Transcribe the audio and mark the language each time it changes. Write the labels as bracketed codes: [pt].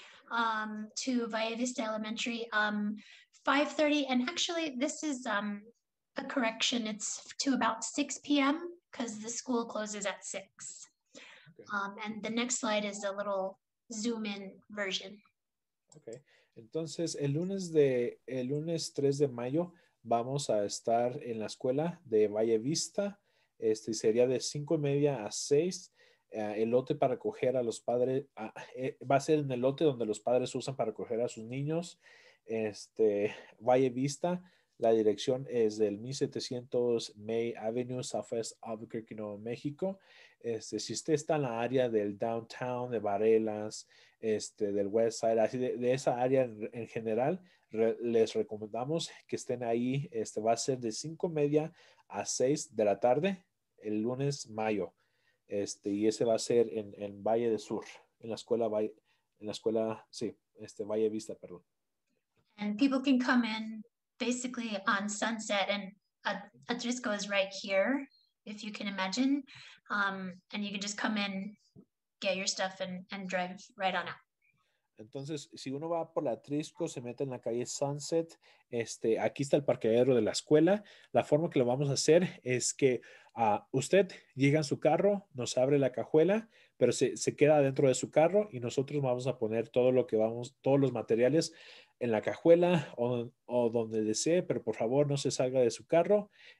[en] To Valle Vista Elementary, 5:30, and actually this is a correction, it's to about 6 p.m. because the school closes at 6. Okay. And the next slide is a little zoom in version. [es] Okay, entonces el lunes 3 de mayo vamos a estar en la escuela de Valle Vista, sería de 5:30 a 6. El lote para coger a los padres va a ser en el lote donde los padres usan para coger a sus niños. Valle Vista, la dirección es del 1700 May Avenue Southwest, Albuquerque, Nuevo México. Si usted está en la área del downtown de Barelas, del West Side, así de esa área en general, les recomendamos que estén ahí. Va a ser de 5:30 a 6 de la tarde el lunes mayo. Y ese va a ser en Valle del Sur, en la escuela Valle Vista, perdón. [en] And people can come in basically on Sunset, and Atrisco is right here, if you can imagine. And you can just come in, get your stuff, and drive right on out. [es] Entonces, si uno va por la Atrisco, se mete en la calle Sunset, aquí está el parqueadero de la escuela. La forma que lo vamos a hacer es que usted llega en su carro, nos abre la cajuela, pero se queda dentro de su carro y nosotros vamos a poner todos los materiales en la cajuela o donde desee, pero por favor no se salga de su carro.